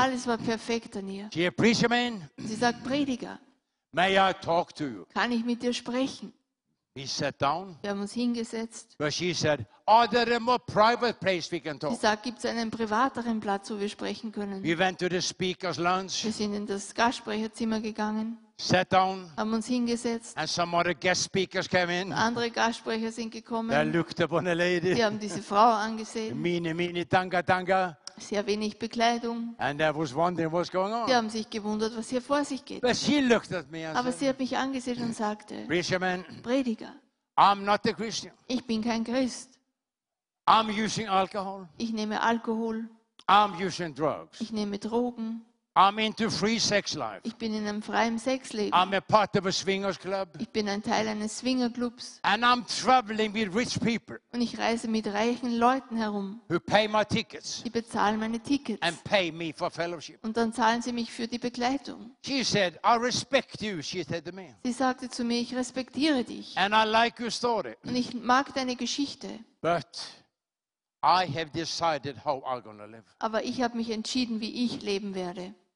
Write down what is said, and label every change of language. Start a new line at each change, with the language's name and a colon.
German: Alles war perfekt an ihr.
English: She a preacher man.
German: Sie sagt Prediger.
English: May I talk to you?
German: Kann ich mit dir sprechen?
English: We sat down.
German: Wir haben uns hingesetzt.
English: But she said, are there a more private place we can talk?
German: Sie sagt, gibt es einen privateren Platz, wo wir sprechen können?
English: We went to the speaker's lounge.
German: Wir sind in das Gastsprecherzimmer gegangen.
English: Sat down.
German: Haben uns hingesetzt.
English: And some other guest speakers came in.
German: Andere Gastsprecher sind gekommen.
English: They looked upon a lady.
German: Sie haben diese Frau angesehen.
English: Mini Tanga.
German: Sehr wenig Bekleidung.
English: And I was wondering what's going on.
German: Sie haben sich gewundert, was hier vor sich geht.
English: But she looked at me and
German: aber sie hat mich angesehen und sagte,
English: Preacherman,
German: Prediger,
English: I'm not a Christian.
German: Ich bin kein Christ.
English: I'm using alcohol.
German: Ich nehme Alkohol.
English: I'm using drugs.
German: Ich nehme Drogen.
English: I'm into free sex life.
German: Ich bin in einem freien Sexleben.
English: I'm a part of a swingers club.
German: Ich bin ein Teil eines Swingerclubs.
English: And I'm traveling with rich people.
German: Und ich reise mit reichen Leuten herum.
English: Who pay my tickets.
German: Die bezahlen meine Tickets.
English: And pay me for fellowship.
German: Und dann zahlen sie mich für die Begleitung.
English: She said, I respect you, she said to me.
German: Sie sagte zu mir, ich respektiere dich.
English: And I like your story.
German: Und ich mag deine Geschichte.
English: But I have decided how I'm gonna live.
German: Aber ich habe mich entschieden, wie ich leben werde.